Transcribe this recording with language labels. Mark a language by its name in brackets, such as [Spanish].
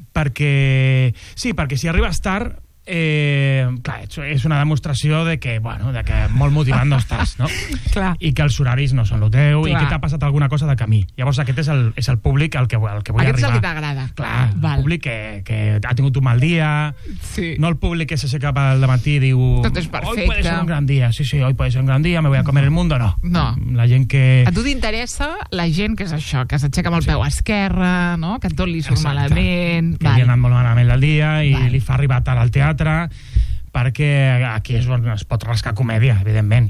[Catalan] Perquè, sí, perquè si arribes tard... clar, és una demostració de que, bueno, de que molt motivant no estàs, no? Clar. I que els horaris no són el teu, clar, i que t'ha passat alguna cosa de camí. Llavors aquest és el públic al que vull aquest arribar. Aquest és el que t'agrada. Clar, val. El públic que ha tingut un mal dia, sí, no el públic que s'aixeca al dematí i diu... Tot és perfecte. [Spanish] Hoy puede ser un gran día, sí, hoy puede ser un gran día, me voy a comer el mundo, no. [Catalan] No. La gent que... A tu t'interessa la gent que és això, que s'aixeca amb el peu esquerre, no?, que tot li surt malament... Que li ha anat molt malament el dia i li fa arribar tal al teatre, perquè aquí és on es pot rascar comèdia, evidentment.